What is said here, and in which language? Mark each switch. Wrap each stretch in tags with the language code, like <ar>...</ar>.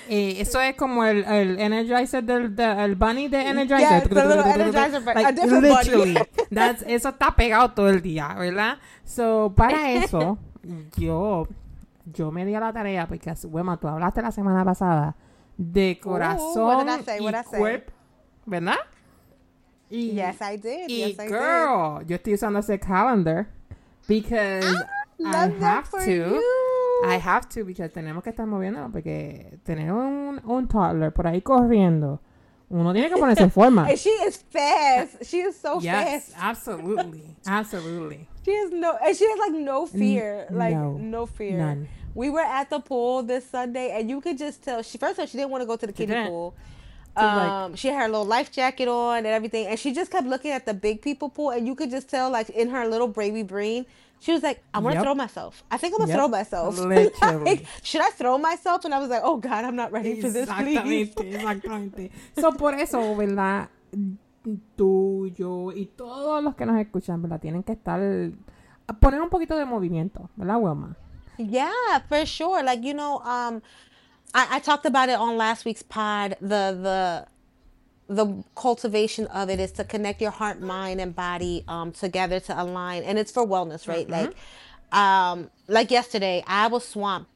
<es>Eso es como el energizer del bunny de energizer.</es> <en>Yeah, it's a little energizer, but like, a different literally, bunny. That's,</en> <es>eso está pegado todo el día, ¿verdad? So, para eso, yo me di a la tarea, porque, bueno, tú hablaste la semana pasada de corazón y cuerpo, ¿verdad?</es> <en>Yes, I did.</en> <es>Yo estoy usando ese calendar</es> <en>because I have to because</en> <es>tenemos que estar moviéndonos, porque tener un toddler por ahí corriendo, uno tiene que ponerse en forma.</es> <en>And she is fast. She is so yes, Yes, absolutely. Absolutely. She has no, and she has like no fear. No fear. We were at the pool this Sunday and you could just tell, she didn't want to go to the kiddie pool. She had her little life jacket on and everything, and she just kept looking at the big people pool, and you could just tell, like, in her little bravey brain, she was like, I'm gonna throw myself. I think I'm gonna throw myself. Like, should I throw myself? And I was like, oh God, I'm not ready for this, please.</en> <es>Exactamente. So por eso, ¿verdad? Tú, yo y todos los que nos escuchan, ¿verdad? Tienen que estar poner un poquito de movimiento, ¿verdad, Wilma?</es> <en>Yeah, for sure. Like, you know, I talked about it on last week's pod. The cultivation of it is to connect your heart, mind, and body together to align. And it's for wellness, right? Mm-hmm. Like yesterday, I was swamped.</en>